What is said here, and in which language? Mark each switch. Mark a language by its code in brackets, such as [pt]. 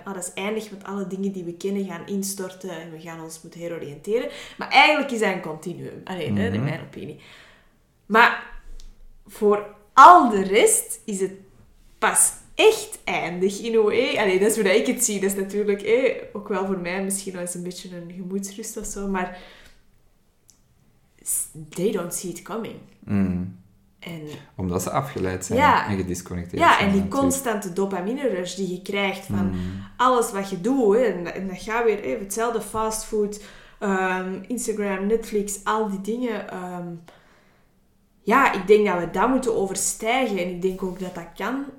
[nl] Ah, dat is eindig, want alle dingen die we kennen gaan instorten. En we gaan ons moeten heroriënteren. Maar eigenlijk is dat een continuum. In mijn opinie. Maar... Voor al de rest is het pas echt eindig in OE. Allee, dat is hoe ik het zie. Dat is natuurlijk ook wel voor mij misschien wel eens een beetje een gemoedsrust of zo. [en] Maar they don't see it coming. Mm. [nl] En, omdat ze afgeleid zijn en gedisconnecteerd zijn. Ja, en die constante dopamine rush die je krijgt van alles wat je doet. En dan ga je weer hetzelfde fastfood, Instagram, Netflix, al die dingen... ik denk dat we dat moeten overstijgen. En ik denk ook dat dat kan